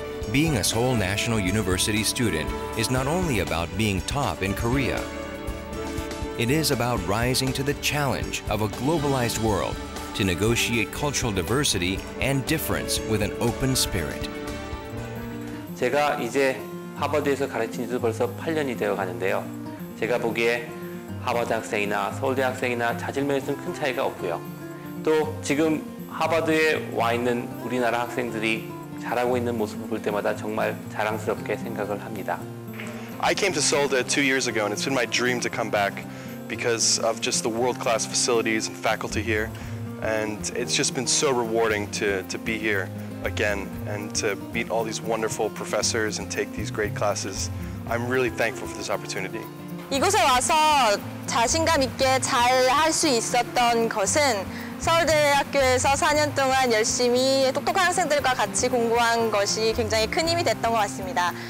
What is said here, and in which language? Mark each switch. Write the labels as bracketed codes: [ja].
[en] Being a Seoul National University student is not only about being top in Korea. It is about rising to the challenge of a globalized world to negotiate cultural diversity and difference with an open spirit. [ko] 제가 이제 하버드에서 가르친 지도 벌써 8년이 되어 가는데요. 제가 보기에 하버드 학생이나 서울대 학생이나 자질 면에서는 큰 차이가 없고요. 또 지금 하버드에 와 있는 우리나라 학생들이 잘하고 있는 모습을 볼 때마다 정말 자랑스럽게 생각을 합니다. [en] I came to Seoul-dae 2 years ago and it's been my dream to come back because of just the world-class facilities and faculty here. And it's just been so rewarding to be here again and to meet all these wonderful professors and take these great classes. I'm really thankful for this opportunity. [ko] 이곳에 와서 자신감 있게 잘 할 수 있었던 것은 서울대학교에서 4년 동안 열심히 똑똑한 학생들과 같이 공부한 것이 굉장히 큰 힘이 됐던 것 같습니다.